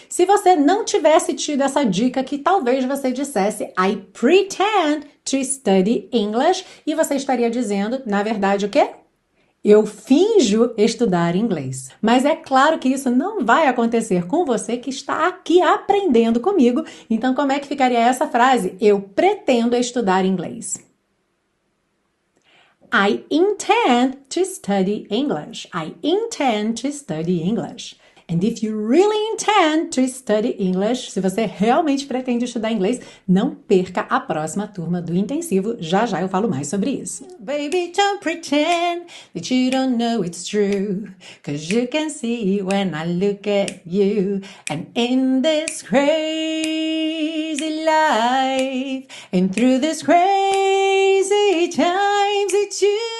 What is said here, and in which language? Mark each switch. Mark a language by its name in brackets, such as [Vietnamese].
[Portuguese] Se você não tivesse tido essa dica, que talvez você dissesse [English] I pretend to study English, [Portuguese] e você estaria dizendo, na verdade, o quê? Eu finjo estudar inglês. Mas é claro que isso não vai acontecer com você que está aqui aprendendo comigo. Então, como é que ficaria essa frase? Eu pretendo estudar inglês. [English] I intend to study English. I intend to study English. And if you really intend to study English, [Portuguese] se você realmente pretende estudar inglês, não perca a próxima turma do intensivo. Já já eu falo mais sobre isso. [English] Baby, don't pretend that you don't know it's true. 'Cause you can see when I look at you. And in this crazy life, and through this crazy times, it's you.